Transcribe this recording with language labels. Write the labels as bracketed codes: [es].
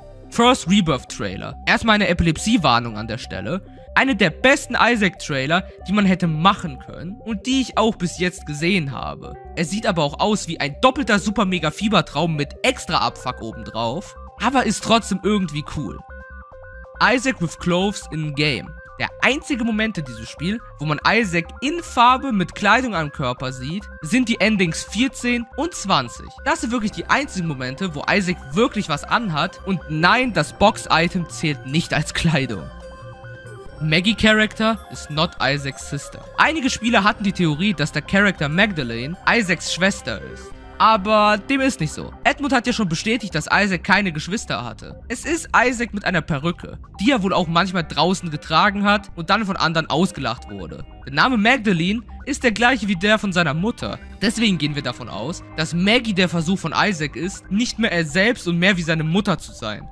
[en] First Rebirth Trailer. [de] Erstmal eine Epilepsie-Warnung an der Stelle. Eine der besten Isaac-Trailer, die man hätte machen können und die ich auch bis jetzt gesehen habe. Es sieht aber auch aus wie ein doppelter Super-Mega-Fiebertraum mit extra Abfuck obendrauf, aber ist trotzdem irgendwie cool. [en] Isaac with Clothes in Game. [de] Der einzige Moment in diesem Spiel, wo man Isaac in Farbe mit Kleidung am Körper sieht, sind die Endings 14 und 20. Das sind wirklich die einzigen Momente, wo Isaac wirklich was anhat und nein, das Box-Item zählt nicht als Kleidung. [en] Maggie Character is not Isaacs Sister. [de] Einige Spieler hatten die Theorie, dass der Charakter Magdalene Isaacs Schwester ist. Aber dem ist nicht so. Edmund hat ja schon bestätigt, dass Isaac keine Geschwister hatte. Es ist Isaac mit einer Perücke, die er wohl auch manchmal draußen getragen hat und dann von anderen ausgelacht wurde. Der Name Magdalene ist der gleiche wie der von seiner Mutter. Deswegen gehen wir davon aus, dass Maggie der Versuch von Isaac ist, nicht mehr er selbst und mehr wie seine Mutter zu sein.